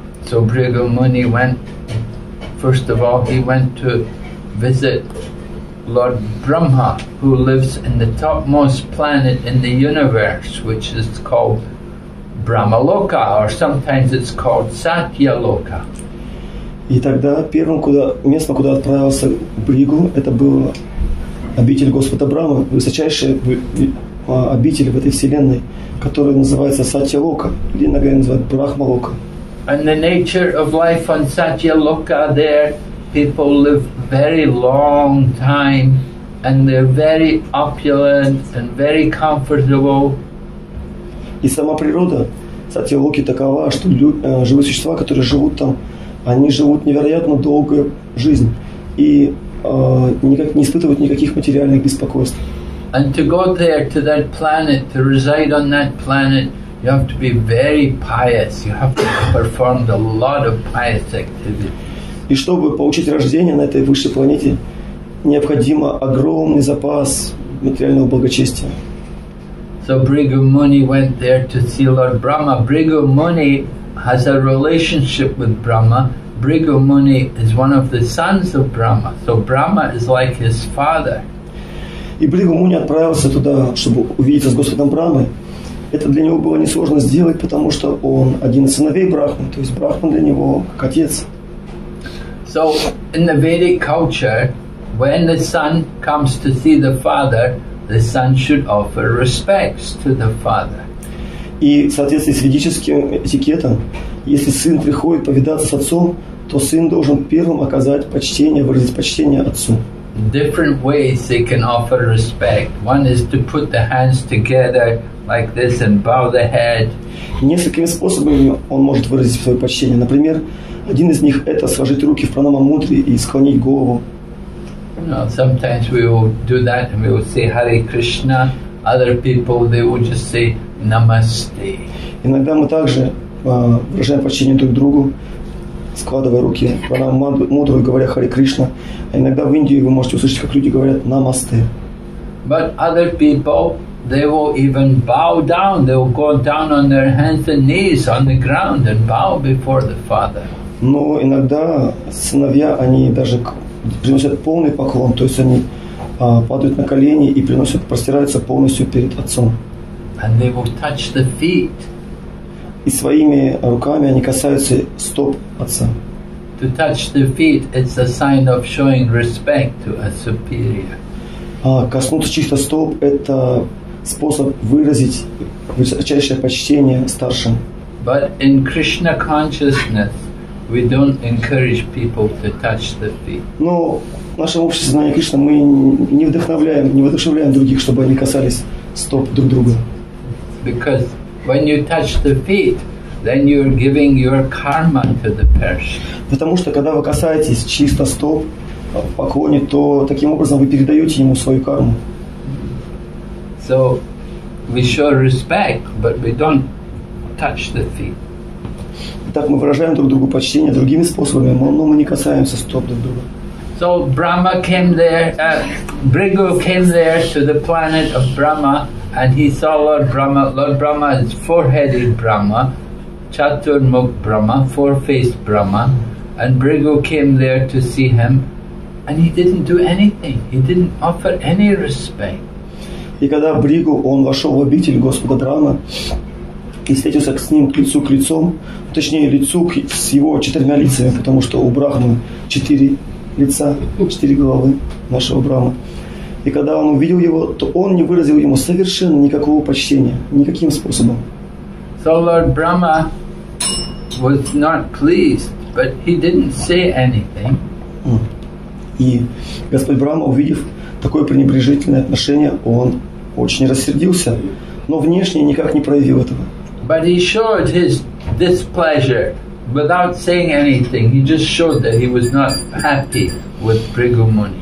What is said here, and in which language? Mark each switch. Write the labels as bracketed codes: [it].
[en] So Bhrigu Muni went, first of all, he went to visit Lord Brahma, who lives in the topmost planet in the universe, which is called Brahmaloka, or sometimes it's called Satyaloka. [ru] И тогда первым место, куда отправился Бригу, это был обитель Господа Брахмы, высочайший обитель в этой вселенной, который называется Сатьялока, или иногда называют Брахмалока. [en] And the nature of life on Satyaloka, there people live very long time and they're very opulent and very comfortable. [ru] И сама природа Сатьялоки такова, что живые существа, которые живут там, они живут невероятно долгую жизнь и никак не испытывают никаких материальных беспокойств. [en] And to go there to that planet, to reside on that planet, you have to be very pious. You have to perform a lot of pious activity. [ru] И чтобы получить рождение на этой высшей планете, необходимо огромный запас материального благочестия. [en] So Bhrigu Muni went there to see Lord Brahma. Bhrigu Muni has a relationship with Brahma. Bhrigu Muni is one of the sons of Brahma. So Brahma is like his father. [ru] И Бригу Муни отправился туда, чтобы увидеться с Господом Брахмой. Это для него было несложно сделать, потому что он один из сыновей Брахмы, то есть Брахма для него как отец. [en] So in the Vedic culture, when the son comes to see the son should offer respects to the father. [ru] И в соответствии с ведическим этикетом, если сын приходит повидаться с отцом, то сын должен первым оказать почтение, выразить почтение отцу. [en] Different ways they can offer respect. One is to put the hands together like this and bow the head. [ru] Несколькими способами он может выразить свое почтение. Например, один из них — это сложить руки в пранамамудре и склонить голову. [en] Now, sometimes we will do that and we will say Hare Krishna. Other people, they will just say Namaste. [ru] Иногда мы также выражаем почтение друг другу, складывая руки в пранамамудру и говоря Хари Кришна. А иногда в Индии вы можете услышать, как люди говорят Намасте. [en] But other people, they will even bow down. They will go down on their hands and knees on the ground and bow before the father. [ru] Но иногда сыновья, они даже приносят полный поклон, то есть они падают на колени и приносят, простираются полностью перед Отцом. [en] And they will touch the feet. [ru] И своими руками они касаются стоп Отца. [en] To touch the feet, it's a sign of showing respect to a superior. [ru] Коснуться чьих-то стоп – это способ выразить высочайшее почтение старшим. [en] But in Krishna consciousness, we don't encourage people to touch the feet. [ru] Но в нашем обществе знания Кришны мы не вдохновляем, не воодушевляем других, чтобы они касались стоп друг друга. [en] Because when you touch the feet, then you're giving your karma to the person. [ru] Потому что когда вы касаетесь чьих-то стоп в поклоне, то таким образом вы передаете ему свою карму. [en] So we show respect, but we don't touch the feet. [ru] Так мы выражаем друг другу почтение другими способами, но мы не касаемся стоп друг друга. [en] So Brahma came there, Bhrigu came there to the planet of Brahma, and he saw Lord Brahma. Lord Brahma is four-headed Brahma, Chaturmukh Brahma, four-faced Brahma, and Bhrigu came there to see him. And he didn't do anything. He didn't offer any respect. [ru] И когда Бригу он вошел в обитель Господа Брама и встретился с ним лицу к лицу, точнее лицу с его четырьмя лицами, потому что у Брахмы четыре лица, четыре головы нашего Брама. И когда он увидел его, то он не выразил ему совершенно никакого почтения, никаким способом. [en] So Lord Brahma was not pleased, but he didn't say anything. [ru] И Господь Брама, увидев такое пренебрежительное отношение, он очень рассердился, но внешне никак не проявил этого. [en] But he showed his displeasure without saying anything. He just showed that he was not happy with Bhrigu Muni.